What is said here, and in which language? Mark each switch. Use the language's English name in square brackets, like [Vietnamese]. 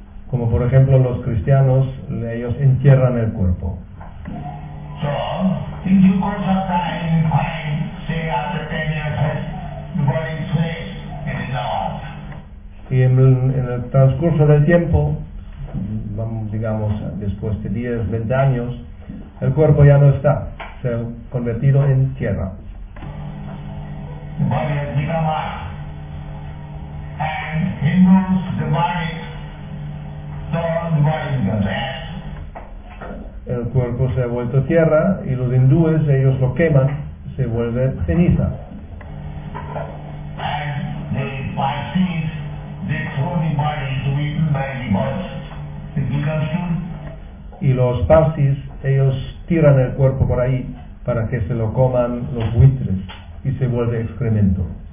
[Spanish] Como por ejemplo los cristianos, ellos entierran el cuerpo. [English] So, in due course of time, say after 10 years, the body is raised and is out. [Spanish] Y en el transcurso del tiempo, digamos después de 10, 20 años, el cuerpo ya no está, se ha convertido en tierra. [English] The body has become earth. And Hindus, the body, so the body is gone. [Spanish] El cuerpo se ha vuelto tierra, y los hindúes, ellos lo queman, se vuelve ceniza. [English] And the Parsis, they throw the body to be eaten by the birds. It becomes food. [Spanish] Y los Parsis, ellos tiran el cuerpo por ahí para que se lo coman los buitres, y se vuelve excremento.